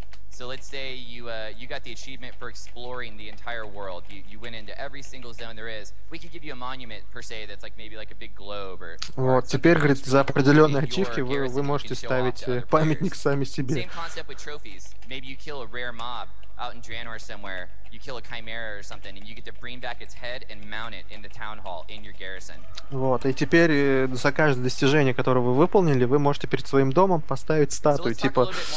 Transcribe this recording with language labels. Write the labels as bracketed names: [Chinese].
[English] So let's say you got the achievement for exploring the entire world. You went into every single zone there is. We could give you a monument per se that's like maybe like a big globe or. [Russian] Вот, теперь, говорит, за определенные ачивки вы можете ставить памятник сами себе. [English] Same concept with trophies. Maybe you kill a rare mob out in Draenor somewhere. You kill a chimera or something, and you get to bring back its head and mount it in the town hall in your garrison. [Russian] Вот, и теперь за каждое достижение, которое вы выполнили, вы можете перед своим домом поставить статую, типа.